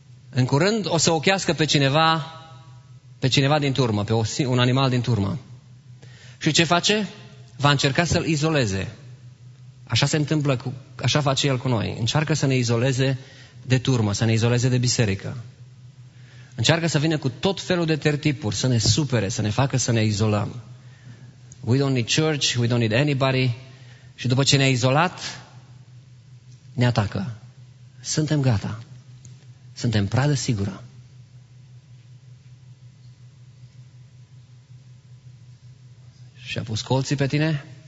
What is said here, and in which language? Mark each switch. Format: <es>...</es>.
<ro>În curând o să ochească pe cineva, pe cineva din turmă, pe un animal din turmă. Și ce face? Va încerca să-l izoleze. Așa se întâmplă, așa face el cu noi. Încearcă să ne izoleze de turmă, să ne izoleze de biserică. Încearcă să vină cu tot felul de tertipuri, să ne supere, să ne facă să ne izolăm.</ro> <en>We don't need church, we don't need anybody.</en> <ro>Și după ce ne-a izolat, ne atacă. Suntem gata. Suntem pradă sigură. Și-a pus colții pe tine?</ro>